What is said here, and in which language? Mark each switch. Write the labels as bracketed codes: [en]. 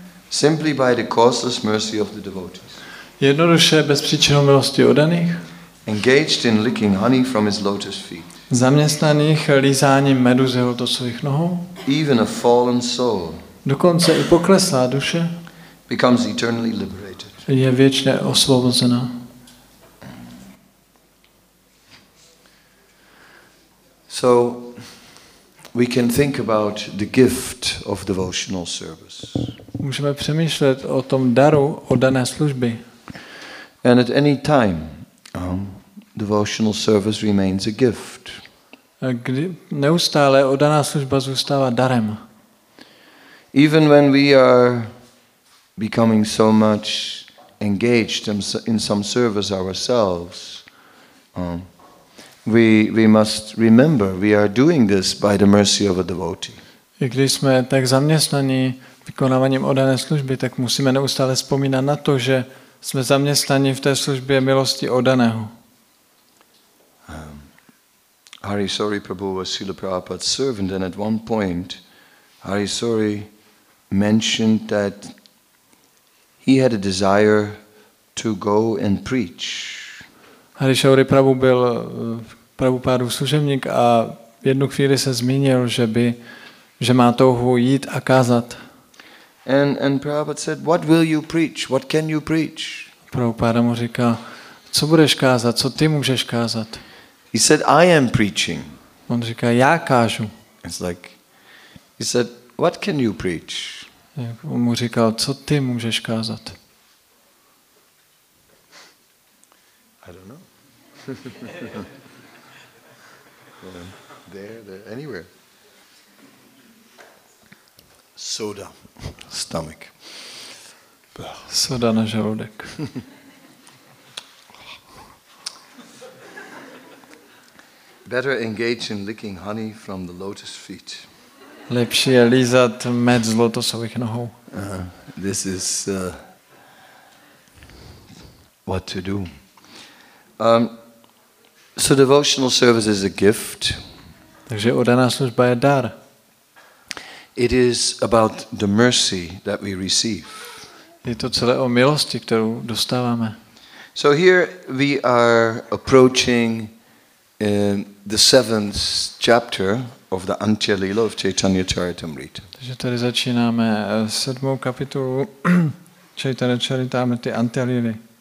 [en] Simply by the causeless mercy of the devotees. [cs] Jednoduše bez příčinou milosti oddaných. [en] Engaged in licking honey from his lotus feet. [cs] Zaměstnaných lízáním medu z jeho lotosových nohou. [en] Even a fallen soul. [cs] Dokonce i pokleslá duše. [en] Becomes eternally liberated. [cs] Je věčně osvobozená. [en] So we can think about the gift of devotional service. [cs] Můžeme přemýšlet o tom daru oddané služby. [en] And at any time, devotional service remains a gift. [cs] Neustále oddaná služba zůstává darem. [en] Even when we are becoming so much engaged in some service ourselves, we must remember we are doing this by the mercy of a devotee. [cs] I když jsme tak zaměstnaní vykonáváním oddané služby, tak musíme neustále vzpomínat na to, že jsme zaměstnaní v té službě milosti oddaného. [en] Harisori Prabhu was Srila Prabhupada's servant, and at one point Harisori mentioned that he had a desire to go and preach. [cs] Harishauri Prabhu byl Prabhupádův služebník a v jednu chvíli se zmínil, že má touhu jít a kázat. [en] And Prabhupada said, what will you preach? What can you preach? [cs] Prabhupáda mu říká, co budeš kázat? Co ty můžeš kázat? [en] He said, I am preaching. [cs] On říká, já kážu. [en] It's like, he said, what can you preach? [cs] On mu říkal, co ty můžeš kázat? [en] I don't know. there, anywhere. Soda, stomach. [cs] Soda na žaludek. [en] Better engage in licking honey from the lotus feet. [cs] Lepší je lízat med z lotosových nohou. [en] This is what to do. So devotional service is a gift. [cs] Takže oddaná služba je dar. [en] It is about the mercy that we receive. [cs] Je to celé o milosti, kterou dostáváme. [en] So here we are approaching the seventh chapter of the Antya Lila of Chaitanya Charitamrita. [cs] Takže tady začínáme sedmou kapitolu Chaitanya Charitamrity Antya Lily.